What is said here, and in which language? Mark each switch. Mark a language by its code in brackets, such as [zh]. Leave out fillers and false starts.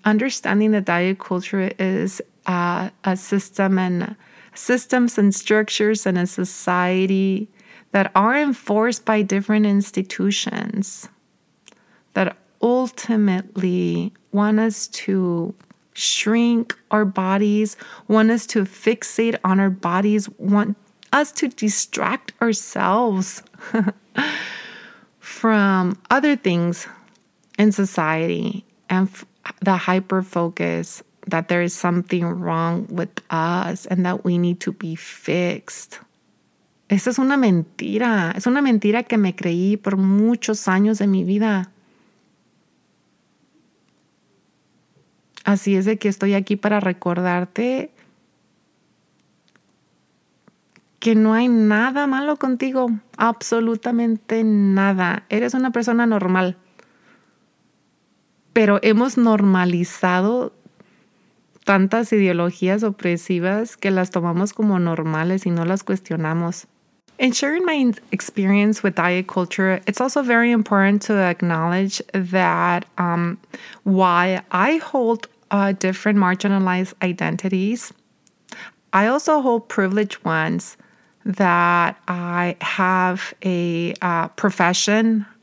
[en] Understanding that diet culture is a system and systems and structures and a society that are enforced by different institutions that ultimately want us to shrink our bodies, want us to fixate on our bodies, want us to distract ourselves from other things in society and the hyper-focus that there is something wrong with us and that we need to be fixed. [es] Esa es una mentira. Es una mentira que me creí por muchos años de mi vida. Así es de que estoy aquí para recordarte que no hay nada malo contigo, absolutamente nada. Eres una persona normal. Pero hemos normalizado tantas ideologías opresivas que las tomamos como normales y no las cuestionamos. [en] In sharing my experience with diet culture, it's also very important to acknowledge that why I hold different marginalized identities, I also hold privileged ones that I have a profession.